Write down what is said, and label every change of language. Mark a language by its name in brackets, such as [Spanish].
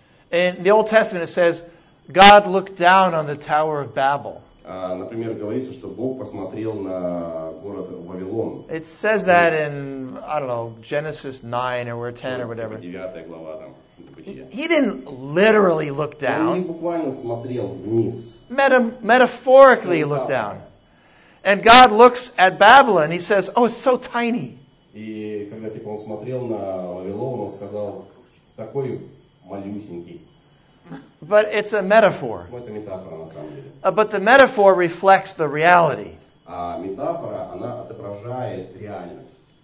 [English] In the Old Testament it says God looked down on the Tower of Babel. [Russian] Например, говорится, что Бог посмотрел на город Вавилон. [English] It says that in, I don't know, Genesis 9 or 10 or whatever. [Russian] 9 глава там. [English] He didn't literally look down. [Russian] Он не буквально смотрел вниз. [English] Metaphorically looked down. And God looks at Babylon, he says, oh, it's so tiny. [Russian] И когда типа он смотрел на Вавилон, он сказал, такой малюсенький. [English] But it's a metaphor. But the metaphor reflects the reality. [Russian] Метафора, она отображает реальность.